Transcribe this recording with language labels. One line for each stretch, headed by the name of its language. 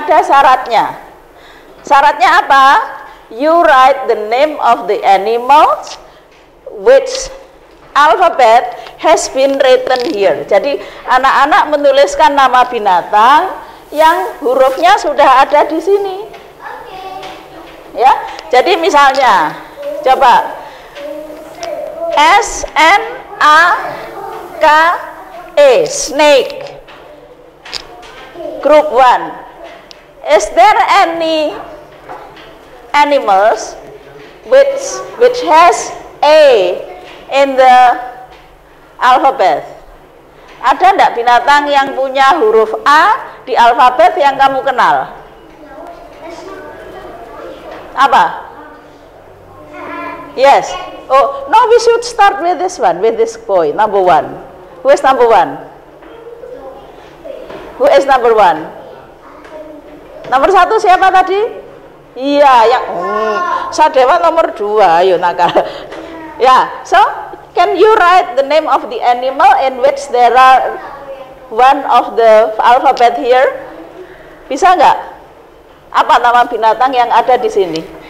Indonesian: Syaratnya apa?
English: You write the name of the animals which alphabet has been written here.
Indonesian: Jadi anak-anak menuliskan nama binatang yang hurufnya sudah ada di sini. Oke. Ya. Jadi misalnya, coba S N A K E, snake.
English: Group 1. Is there any animals which has A in the alphabet?
Indonesian: Ada enggak binatang yang punya huruf A di alfabet yang kamu kenal? Apa?
English: Yes. Oh, no, we should start with this one, with this boy, number 1. Who is number 1? Who is number 1?
Indonesian: Nomor 1 siapa tadi? Iya, yang Sadewa nomor 2, ayo nakal.
English: Ya, so can you write the name of the animal in which there are one of the alphabet here?
Indonesian: Bisa enggak? Apa nama binatang yang ada di sini?